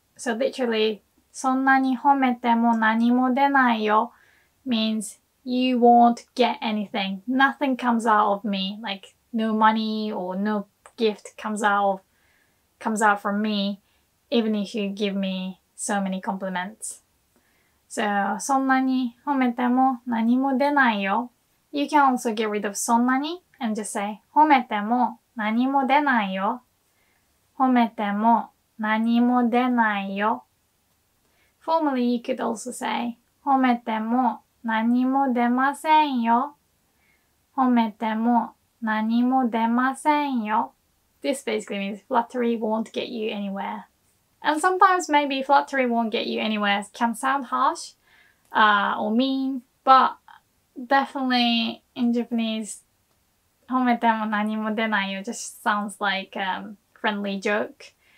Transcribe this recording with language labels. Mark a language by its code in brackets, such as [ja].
[en] So, literally, [ja] そんなに褒めても何も出ないよ [en] means you won't get anything. Nothing comes out of me, like no money or no gift comes out from me. Even if you give me so many compliments. [ja] So, そんなに褒めても何も出ないよ. [en] You can also get rid of [ja] そんなに [en] and just say, [ja] 褒めても何も出ないよ. 褒めても何も出ないよ. [en] Formally, you could also say, [ja] 褒めても何も出ませんよ. 褒めても何も出ませんよ. [en] This basically means flattery won't get you anywhere. And sometimes maybe flattery won't get you anywhere. It can sound harsh, or mean, but definitely in Japanese, [ja] 褒めても何も出ないよ [en] just sounds like a friendly joke.